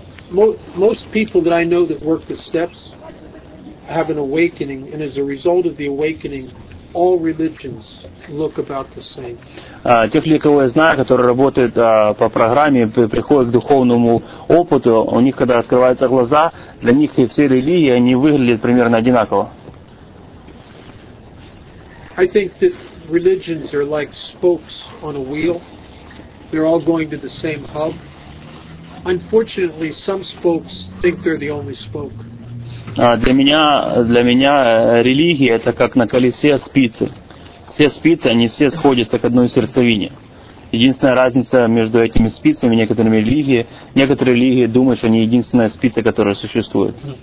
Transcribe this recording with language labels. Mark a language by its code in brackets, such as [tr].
[en] Most people that I know that work the steps have an awakening, and as a result of the awakening, all religions look about the same. [ru] Тех людей, кого я знаю, которые работают по программе, приходят к духовному опыту, у них, когда открываются глаза, для них и все религии, они выглядят примерно одинаково. [en] I think that religions are like spokes on a wheel. They're all going to the same hub. Unfortunately, some spokes think they're the only spoke. [ru] Для меня религия это как на колесе спицы. Все спицы, они все сходятся к одной сердцевине. Единственная разница между этими спицами некоторыми религиями, некоторые религии думают, что они единственная спица, которая существует.